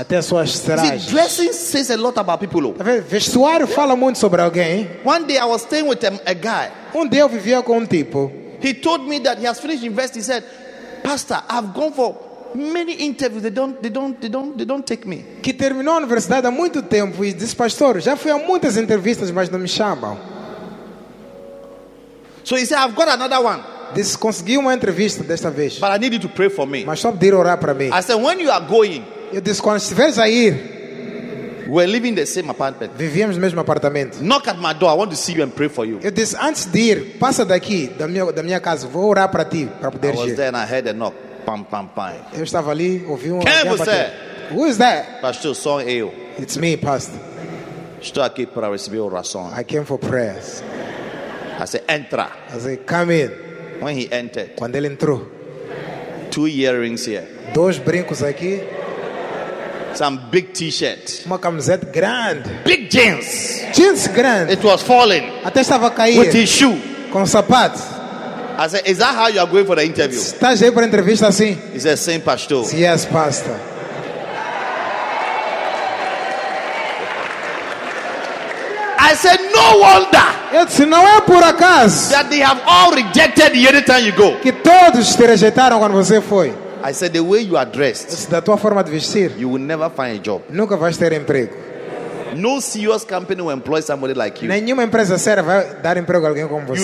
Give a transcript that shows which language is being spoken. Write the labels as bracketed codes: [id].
[pt] Até as suas trajes. [en] See, dressing says a lot about people. [pt] Vestuário fala muito sobre alguém. [en] One day I was staying with a guy. [pt] Dia eu vivia com tipo. [en] He told me that he has finished university. He said, Pastor, I've gone for many interviews, they don't take me. [pt] Que terminou a universidade há muito tempo e disse, pastor, já fui a muitas entrevistas, mas não me chamam. [en] So he said, I've got another one. [pt] Disse, consegui uma entrevista desta vez. [en] But I need you to pray for me. [pt] Mas só pedir orar para mim. [en] I said, when you are going? [pt] Eu disse, quando estiveres a ir. [en] We're living in the same apartment. [pt] Vivíamos no mesmo apartamento. [en] Knock at my door, I want to see you and pray for you. [pt] Eu disse, antes de ir, passa daqui da minha casa, vou orar para ti para poder ir. [en] I was there and I heard a knock. Pam, pam, pam. [pt] Eu estava ali, ouvi um. Quem é você? [en] Who is that? [pt] Pastor, sou eu. [en] It's me, pastor. [pt] Estou aqui para receber oração. [en] I came for prayers. I said, entra. I said, come in. When he entered. [pt] Quando ele entrou. [en] Two earrings here. [pt] Dois brincos aqui. [en] Some big t-shirt. [pt] Uma camiseta grande. [en] Big jeans. [pt] Jeans grande. [en] It was falling. [pt] Até estava caindo. [en] With his shoe. [pt] Com sapatos. [en] I said, is that how you are going for the interview? [pt] Estás aí para a entrevista assim? [en] He said, same pastor. Yes, pastor. I said, no wonder. [pt] It's não é por acaso. [en] That they have all rejected you anytime you go. [pt] Que todos te rejeitaram quando você foi. [en] I said, the way you are dressed, [pt] da tua forma de vestir, [en] you will never find a job. [pt] Nunca vais ter emprego. [en] No serious company will employ somebody like you. [pt] Nenhuma empresa séria vai dar emprego a alguém como você.